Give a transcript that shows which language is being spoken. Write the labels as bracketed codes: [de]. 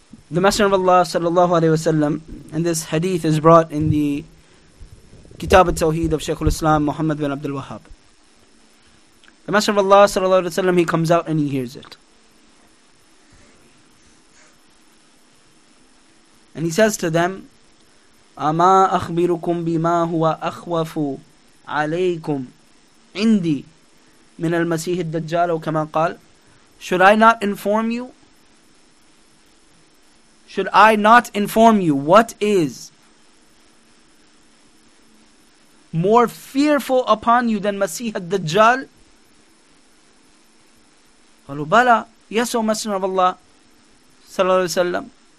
[en] The Messenger of Allah sallallahu alayhi wa sallam, and this hadith is brought in the Kitab al-Tawheed of Shaykh al-Islam Muhammad bin Abdul Wahhab. The Messenger of Allah sallallahu alayhi wa sallam, he comes out and he hears it. And he says to them, [ar] أَمَا أَخْبِرُكُمْ بِمَا هُوَ أَخْوَفُ عَلَيْكُمْ عِنْدِي مِنَ الْمَسِيحِ الدَّجَّالِ وَكَمَا قَالَ. [en] Should I not inform you? Should I not inform you what is more fearful upon you than Masih al-Dajjal? [ar] قَالُوا بَلَى. [en] Yes, O Messenger of Allah sallallahu alayhi wa sallam.